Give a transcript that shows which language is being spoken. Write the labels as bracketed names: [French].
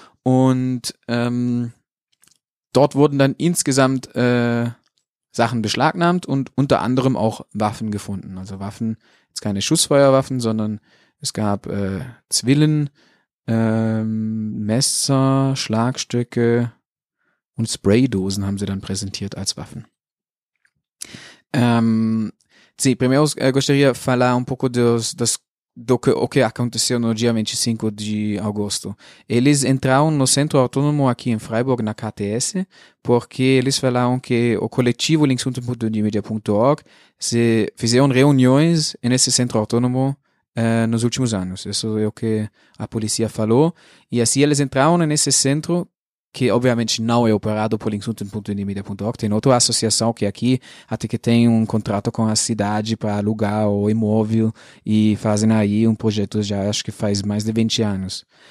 [German] Und dort wurden dann insgesamt Sachen beschlagnahmt und unter anderem auch Waffen gefunden. Also Waffen, jetzt keine Schussfeuerwaffen, sondern es gab Zwillen, Messer, Schlagstöcke und Spraydosen haben sie dann präsentiert als Waffen. [Spanish] Sí, primero gustaría hablar un poco [Portuguese] do que aconteceu no dia 25 de agosto. Eles entraram no centro autônomo aqui em Freiburg, na KTS, porque eles falaram que o coletivo linksunten.unimedia.org se fizeram reuniões nesse centro autônomo nos últimos anos. Isso é o que a polícia falou. E assim eles entraram nesse centro, que obviamente não é operado por linksunten.unimedia.org, tem outra associação que aqui até que tem um contrato com a cidade para alugar o imóvel e fazem aí um projeto já acho que faz mais de 20 anos.